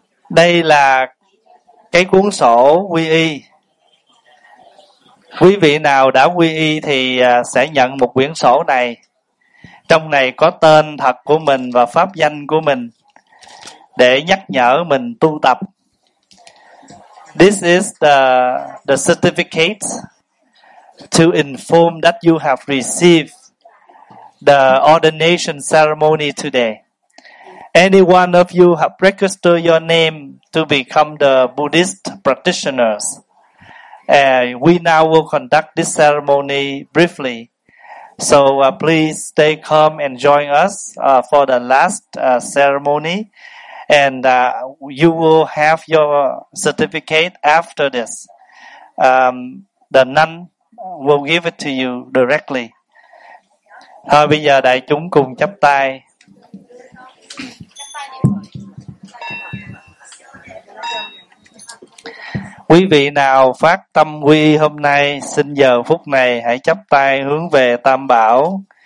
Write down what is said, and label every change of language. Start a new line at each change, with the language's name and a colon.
Vietnamese: Đây là cái cuốn sổ quy y. Quý vị nào đã quy y thì sẽ nhận một quyển sổ này. Trong này có tên thật của mình và pháp danh của mình để nhắc nhở mình tu tập.
English: This is the certificate to inform that you have received the ordination ceremony today. Any one of you have registered your name to become the Buddhist practitioners. We now will conduct this ceremony briefly. So please stay calm and join us for the last ceremony. And you will have your certificate after this. The nun will give it to you directly.
Vietnamese: Thôi bây giờ đại chúng cùng chắp tay. Quý vị nào phát tâm quy hôm nay, xin giờ phút này hãy chắp tay hướng về Tam Bảo.